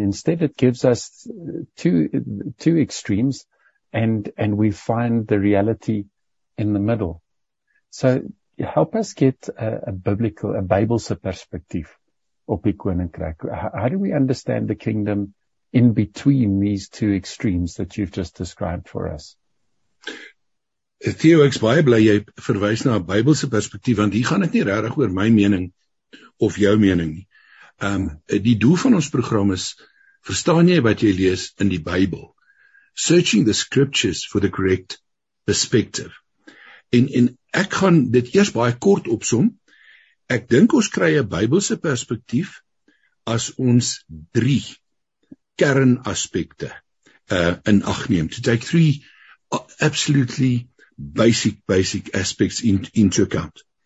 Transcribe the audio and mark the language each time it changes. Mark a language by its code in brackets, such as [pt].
[en] Instead, it gives us two extremes, and we find the reality in the middle. So help us get a [af] Bybelse [en] perspective [af] op die koninkryk. [en] How do we understand the kingdom in between these two extremes that you've just described for us? [af] Theo, ek's baie bly jy verwys na 'n Bybelse perspektief, want hier gaan dit nie regtig oor my mening of jou mening nie. Die doel van ons program is, verstaan jy wat jy lees in die Bybel? [en] Searching the scriptures for the correct perspective. [af] En ek gaan dit eers baie kort opsom. Ek dink ons kry 'n Bybelse perspektief as ons drie kernaspekte in ag neem. [en] To take three absolutely basic aspects into account.